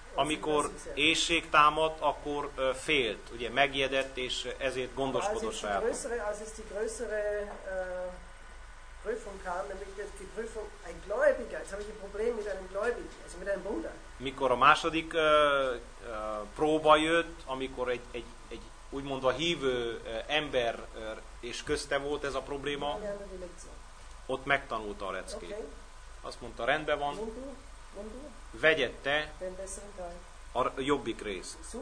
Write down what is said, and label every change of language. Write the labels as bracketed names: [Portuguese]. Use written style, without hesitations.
[Hungarian] amikor éhség támadt, akkor félt, ugye megijedett, és ezért gondoskodott saját. [German] Als es die größere Prüfung kam, nämlich die Prüfung ein Gläubiger, jetzt habe ich ein Problem mit einem Gläubigen, also mit einem Bruder. [Hungarian] Mikor a második próba jött, amikor egy úgymond a hívő ember és közte volt ez a probléma, ott megtanulta a leckét. Azt mondta, rendben van. Vegyed te a jobbik részt.